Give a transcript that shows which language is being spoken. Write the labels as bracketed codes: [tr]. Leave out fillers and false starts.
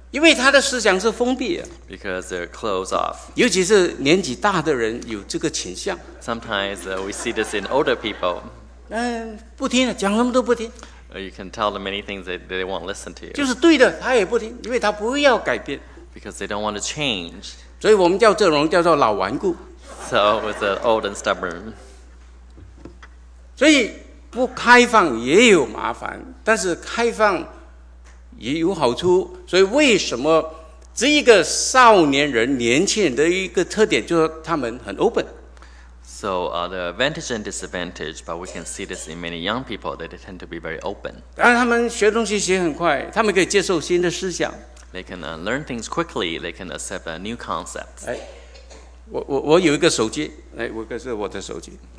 [zh] 因为他的思想是封闭的。 [en] Because they're closed off. [zh] 尤其是年纪大的人有这个倾向。 [en] Sometimes we see this in older people. [zh] 不听了，讲什么都不听。 [en] You can tell them many things that they won't listen to you. [zh] 就是对的，他也不听，因为他不要改变。 [en] Because they don't want to change. [zh] 所以我们叫这种叫做老顽固。 [en] So it's an old and stubborn. [zh] 所以不开放也有麻烦，但是开放也有好处。所以为什么这一个少年人、年轻人的一个特点，就是他们很 open。 [en] So, the advantage and disadvantage, but we can see this in many young people that they tend to be very open. [zh] 然后他们学东西学很快，他们可以接受新的思想。 [en] They can learn things quickly. They can accept a new concept. [zh] 哎，我有一个手机，哎，我这是我的手机。